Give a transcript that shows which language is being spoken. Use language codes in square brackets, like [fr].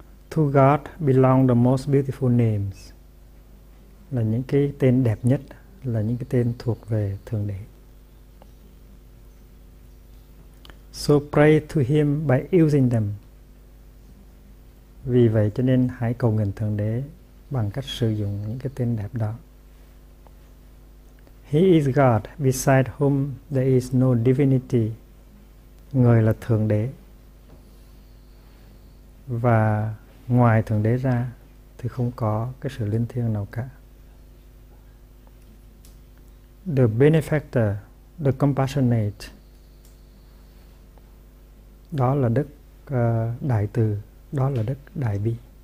[en] To God belong the most beautiful names, [vi] là những cái tên đẹp nhất, là những cái tên thuộc về Thượng Đế. [en] So pray to him by using them. [vi] Vì vậy cho nên hãy cầu nguyện Thượng Đế bằng cách sử dụng những cái tên đẹp đó. [en] He is God beside whom there is no divinity. [vi] Người là Thượng Đế. Và ngoài Thượng Đế ra thì không có cái sự linh thiêng nào cả. [en] The benefactor, the compassionate. [vi] Đó là đức đại từ, đó là đức đại bi.